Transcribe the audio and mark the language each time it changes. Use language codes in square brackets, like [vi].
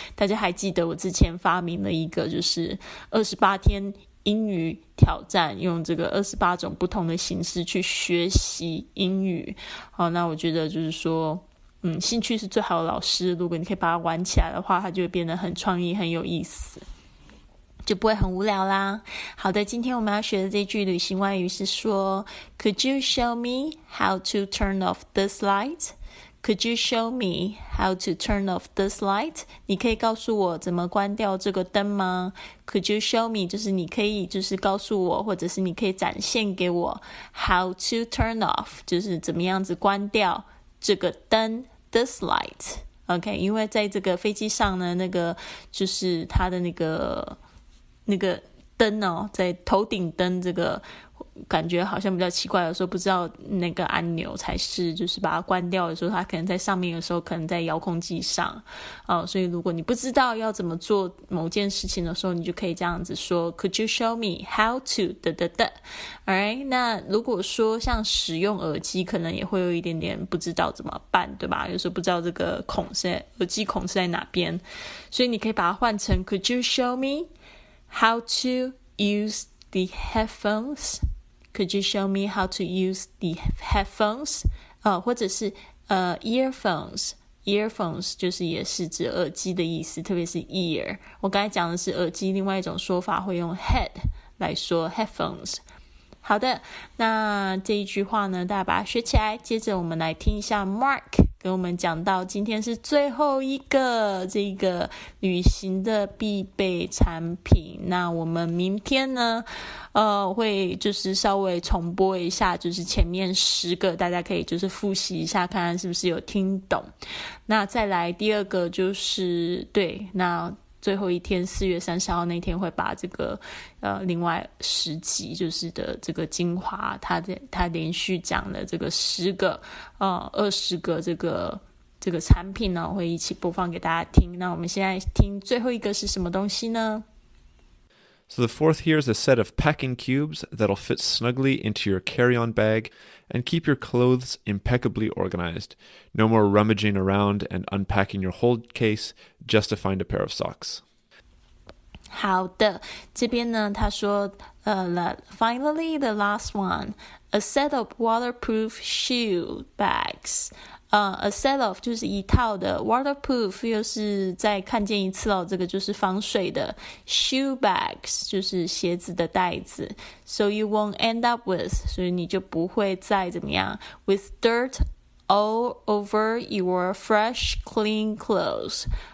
[zh] 大家还记得我之前发明了一个就是28天英语挑战，用这个28种不同的形式去学习英语。好，那我觉得就是说兴趣是最好的老师，如果你可以把它玩起来的话，它就会变得很创意很有意思，就不会很无聊啦。好的，今天我们要学的这句旅行外语是说 [en] Could you show me how to turn off this light? Could you show me how to turn off this light? [zh] 你可以告诉我怎么关掉这个灯吗？ [en] Could you show me [zh] 就是你可以就是告诉我，或者是你可以展现给我 [en] How to turn off [zh] 就是怎么样子关掉这个灯 [en] This light OK， [zh] 因为在这个飞机上呢，那个就是它的那个灯哦，在头顶灯这个感觉好像比较奇怪，有时候不知道那个按钮才是就是把它关掉的时候，它可能在上面，有时候可能在遥控器上哦，所以如果你不知道要怎么做某件事情的时候，你就可以这样子说 [en] Could you show me how to [zh] 哒哒哒。 Alright， 那如果说像使用耳机可能也会有一点点不知道怎么办对吧，有时候不知道这个孔是在耳机孔是在哪边，所以你可以把它换成 [en] Could you show meHow to use the headphones? Could you show me how to use the headphones? [zh] 或者是earphones. Earphones 就是也是指耳机的意思，特别是 ear. 我刚才讲的是耳机，另外一种说法会用 head 来说 headphones. 好的，那这一句话呢，大家把它学起来。接着我们来听一下 Mark 给我们讲到今天是最后一个这个旅行的必备产品。那我们明天呢，会就是稍微重播一下，就是前面十个，大家可以就是复习一下，看看是不是有听懂。那再来第二个就是，对，那最后一天4月30号那天会把这个另外十集就是的这个精华，他连续讲的这个十个二十个这个产品呢，会一起播放给大家听。那我们现在听最后一个是什么东西呢？ [en] So the fourth here is a set of packing cubes that'll fit snugly into your carry-on bag and keep your clothes impeccably organized. No more rummaging around and unpacking your whole case just to find a pair of socks. [zh] 好的，这边呢，他说 [en] finally the last one, a set of waterproof shoe bags. A set of [zh] 就是一套的 waterproof 又是再看见一次了，这个就是防水的 [en] shoe bags [zh] 就是鞋子的袋子 [en] so you won't end up with [zh] 所以你就不会再怎么样 [en] with dirt all over your fresh clean clothes